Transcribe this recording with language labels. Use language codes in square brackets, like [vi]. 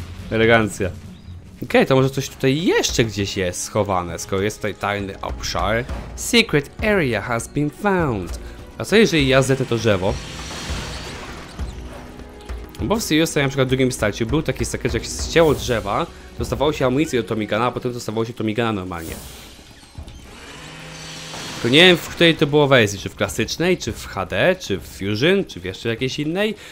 [pl] Elegancja. Okej, okay, to może coś tutaj jeszcze gdzieś jest schowane, skoro jest tutaj tajny obszar. [en] Secret area has been found. [pl] A co jeżeli ja zetę to drzewo? Bo w Seriusie, na przykład w drugim starciu, był taki sekret, że jak się zcięło drzewa, dostawało się amunicję do Tomigana, a potem dostawało się Tomigana normalnie. Tylko nie wiem, w której to było wersji, czy w klasycznej, czy w HD, czy w Fusion, czy w jeszcze jakiejś innej.